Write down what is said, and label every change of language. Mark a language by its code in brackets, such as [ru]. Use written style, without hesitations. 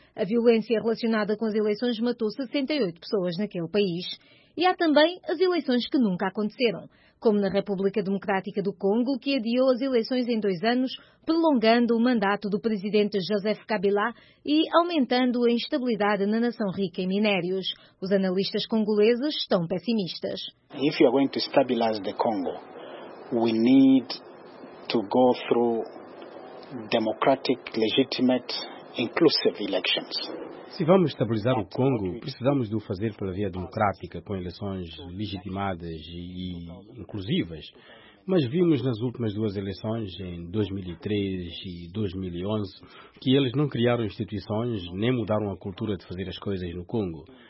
[pt] A violência relacionada com as eleições matou 68 pessoas naquele país. E há também as eleições que nunca aconteceram, como na República Democrática do Congo, que adiou as eleições em 2 anos, prolongando o mandato do presidente Joseph Kabila e aumentando a instabilidade na nação rica em minérios. Os analistas congoleses estão pessimistas. [en] If you are going to stabilize the Congo, we need to go through democratic, legitimate, inclusive elections. [pt] Se vamos estabilizar o Congo, precisamos de o fazer pela via democrática, com eleições legitimadas e inclusivas. Mas vimos nas últimas 2 eleições, em 2003 e 2011, que eles não criaram instituições nem mudaram a cultura de fazer as coisas no Congo.